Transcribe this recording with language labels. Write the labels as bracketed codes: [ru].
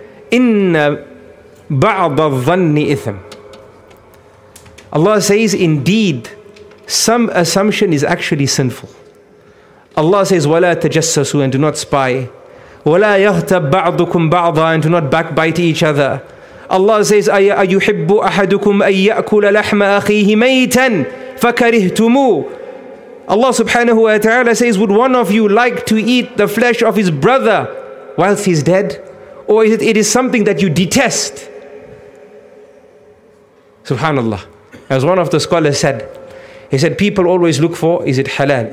[ar] Inna ba'd adh-dhanni ithm. [en] Allah says, indeed, some assumption is actually sinful. Allah says, [ar] وَلَا تَجَسَّسُوا, [en] and do not spy. [ar] وَلَا يَغْتَبْ بَعْضُكُمْ بَعْضًا, [en] and do not backbite each other. Allah says, [ar] أَيُحِبُّ أَحَدُكُمْ أَن يَأْكُلَ لَحْمَ أَخِيهِ مَيْتًا فَكَرِهْتُمُوهُ. [en] Allah subhanahu wa ta'ala says, would one of you like to eat the flesh of his brother whilst he's dead? Or is it something that you detest? Subhanallah. As one of the scholars said, he said, people always look for, is it halal?